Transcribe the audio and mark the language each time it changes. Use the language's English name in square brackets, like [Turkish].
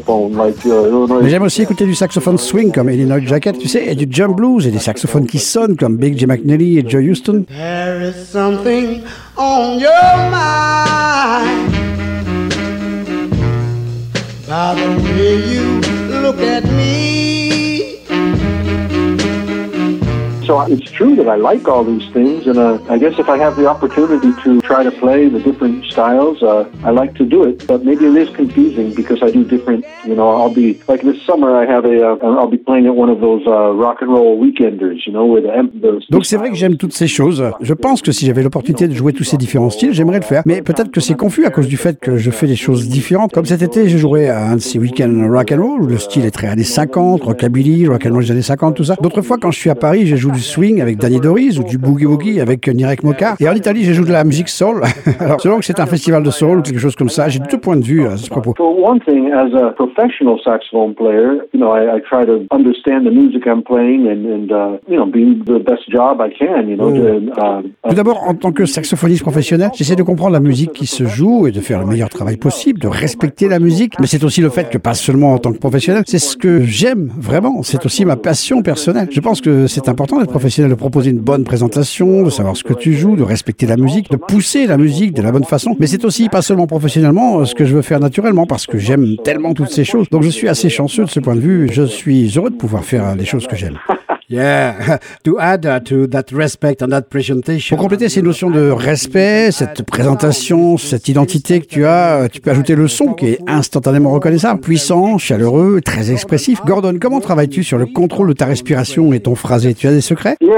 [French] Mais j'aime aussi écouter du saxophone swing comme Illinois Jacket, tu sais, et du jump blues et des saxophones qui sonnent comme Big Jim McNally et Joe Houston. [English] There is something on your mind about the way you look at me. So it's true that I like all these things, and I guess if I have the opportunity to try to play the different styles, I like to do it. But maybe it is confusing because I do different, you know. I'll be, like this summer, I have I'll be playing at one of those rock and roll weekenders, you know, with those. [French] Donc c'est vrai que j'aime toutes ces choses. Je pense que si j'avais l'opportunité de jouer tous ces différents styles, j'aimerais le faire. Mais peut-être que c'est confus à cause du fait que je fais des choses différentes. Comme cet été, j'ai joué à un de ces weekends rock and roll où le style est très années 50, rockabilly, rock and roll des années 50, tout ça. D'autres fois, quand je suis à Paris, j'ai joué du swing avec Danny Doris ou du boogie woogie avec Nirek Mokar. Et en Italie, j'ai joué de la musique soul. Alors, selon que c'est un festival de soul ou quelque chose comme ça, j'ai deux points de vue à ce propos. [English] For one thing, as a professional saxophone player, you know, I try to understand the music I'm playing and you know, be the best job I can, you know. [French] Tout d'abord, en tant que saxophoniste professionnel, j'essaie de comprendre la musique qui se joue et de faire le meilleur travail possible, de respecter la musique. Mais c'est aussi le fait que, pas seulement en tant que professionnel, c'est ce que j'aime vraiment. C'est aussi ma passion personnelle. Je pense que c'est important professionnel de proposer une bonne présentation, de savoir ce que tu joues, de respecter la musique, de pousser la musique de la bonne façon. Mais c'est aussi, pas seulement professionnellement, ce que je veux faire naturellement parce que j'aime tellement toutes ces choses. Donc je suis assez chanceux de ce point de vue. Je suis heureux de pouvoir faire les choses que j'aime. [English] Yeah, to add to that respect and that presentation. [French] Pour compléter ces notions de respect, cette présentation, cette identité que tu peux ajouter le son qui est instantanément reconnaissable, puissant, chaleureux, très expressif. Gordon, comment travailles-tu sur le contrôle de ta respiration et ton phrasé? Tu as des secrets?